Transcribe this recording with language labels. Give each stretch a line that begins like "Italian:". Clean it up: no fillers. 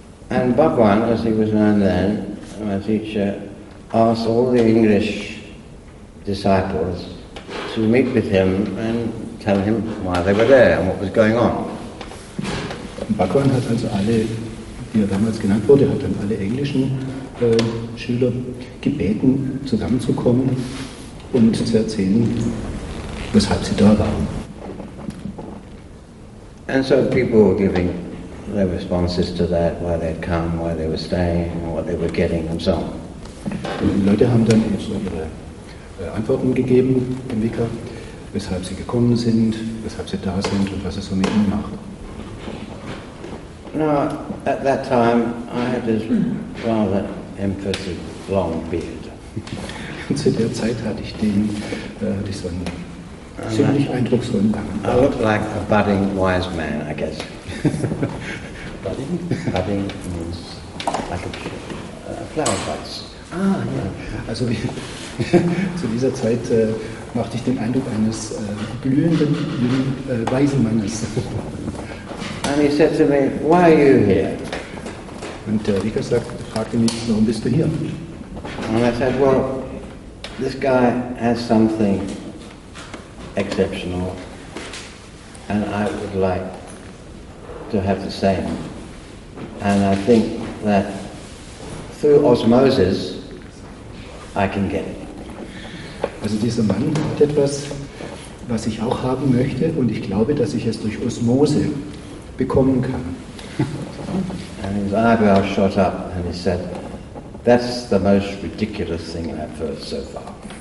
English: And Bhagwan, as he was known then, my teacher, asked all the English disciples to meet with him and tell him why they were there and what was going on.
German: Bhagwan hat also alle die ja damals genannt wurde, hat dann alle englischen Schüler gebeten, zusammenzukommen und zu erzählen, weshalb sie da waren.
English: And so people were giving their responses to that, why they'd come, why they were staying, what they were getting and so on.
German: Und die Leute haben dann so ihre Antworten gegeben im Wicker, weshalb sie gekommen sind, weshalb sie da sind und was es so mit ihnen macht.
English: Now, at that time, I had this rather impressive long beard.
German: Und zu der Zeit hatte ich so einen ziemlich eindrucksvollen langen Bart.
English: I looked like a budding wise man, I guess. Budding? Budding means like a flower buds.
German: Ah, ja. Also zu dieser Zeit machte ich den Eindruck eines blühenden, jungen, weisen Mannes.
English: And he said to me, why are you here?
German: Und der Vicar fragte mich, warum bist du hier?
English: And I said, well, this guy has something exceptional and I would like to have the same. And I think that through osmosis, I can get it.
German: Also dieser Mann hat etwas, was ich auch haben möchte, und ich glaube, dass ich es durch Osmose bekommen kann.
English: And his eyebrows shot up and he said, that's the most ridiculous thing I've heard so far.